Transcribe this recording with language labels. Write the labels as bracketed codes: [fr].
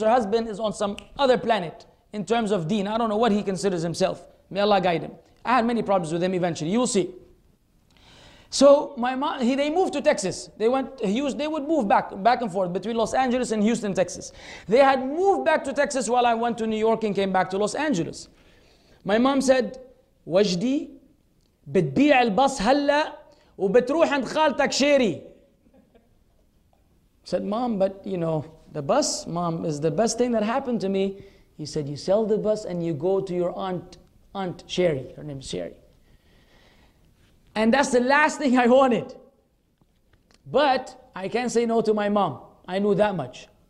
[en] Her husband is on some other planet in terms of deen. I don't know what he considers himself. May Allah guide him. I had many problems with him eventually. You'll see. So my mom, they moved to Texas. They would move back and forth between Los Angeles and Houston, Texas. They had moved back to Texas while I went to New York and came back to Los Angeles. My mom said, [ar] Wajdi, بتبيع الباص هلا وبتروح عند خالتك شيري. [en] Said, mom, but you know, the bus, mom, is the best thing that happened to me. He said, you sell the bus and you go to your aunt Sherry. Her name is Sherry. And that's the last thing I wanted. But I can't say no to my mom. I knew that much.